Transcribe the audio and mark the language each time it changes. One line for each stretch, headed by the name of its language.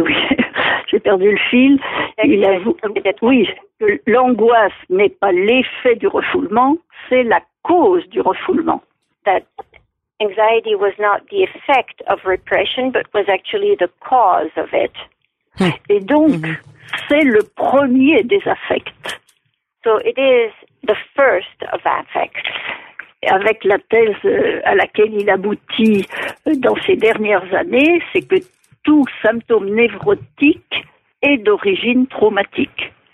French: Oui, j'ai perdu le fil. Il avoue. Oui, que l'angoisse n'est pas l'effet du refoulement, c'est la cause du refoulement.
English: That anxiety was not the effect of repression, but was actually the cause of it.
French: Et donc, c'est le premier des affects.
English: So it is the first of affects.
French: Avec la thèse à laquelle il aboutit dans ses dernières années, c'est que tout symptôme névrotique est d'origine traumatique.